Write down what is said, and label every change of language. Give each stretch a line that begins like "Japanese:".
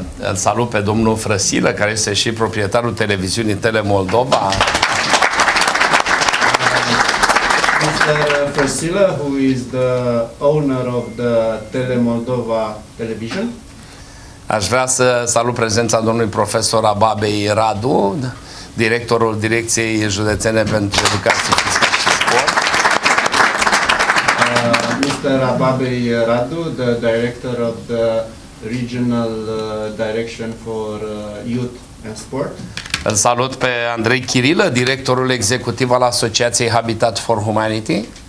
Romanian: Îl salut pe domnul Frăsilă, care este și proprietarul televiziunii Tele Moldova.
English: Mr. Frăsilă, who is the owner of the Tele Moldova television.
Romanian: Aș vrea să salut prezența domnului profesor Ababei Radu, directorul Direcției Județene pentru Educație Fizică și Sport.
English: Mr. Ababei Radu, the director of the regional direction for youth and sport.
Romanian: Îl salut pe Andrei Chirilă, directorul executiv al Asociației Habitat for Humanity.